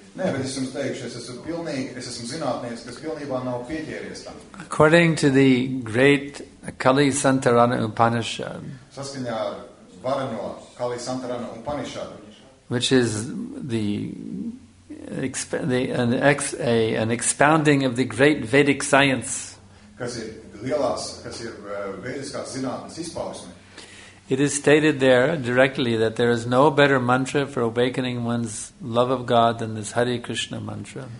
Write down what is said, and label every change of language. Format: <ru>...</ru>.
<en>According to the great Kali Santarana Upanishad, which is the an expounding of the great Vedic science.</en> <lv>Kas ir lielās, kas ir vēdiskās zinātnes izpausme.</lv> <en>It is stated there directly that there is no better mantra for awakening one's love of God than this Hare Krishna mantra.</en>